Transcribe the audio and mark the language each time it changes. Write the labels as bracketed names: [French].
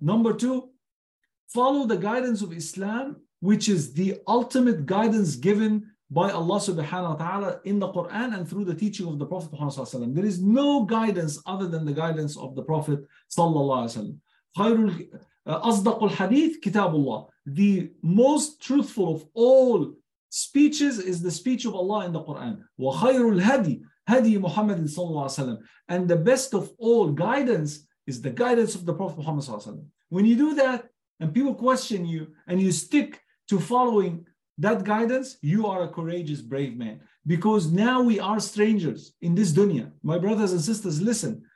[English] Number two, follow the guidance of Islam, which is the ultimate guidance given by Allah subhanahu wa ta'ala in the Quran and through the teaching of the Prophet Muhammad sallallahu alaihi wasallam. There is no guidance other than the guidance of the Prophet sallallahu alaihi wasallam. [Arabic] أصدق الحديث كتاب الله. [English] The most truthful of all speeches is the speech of Allah in the Quran. [Arabic] وخير الهدي هدي محمد صلى الله عليه وسلم. [English] And the best of all guidance is the guidance of the Prophet Muhammad صلى الله عليه وسلم. When you do that and people question you and you stick to following that guidance, you are a courageous, brave man. Because now we are strangers in this dunya. My brothers and sisters, listen.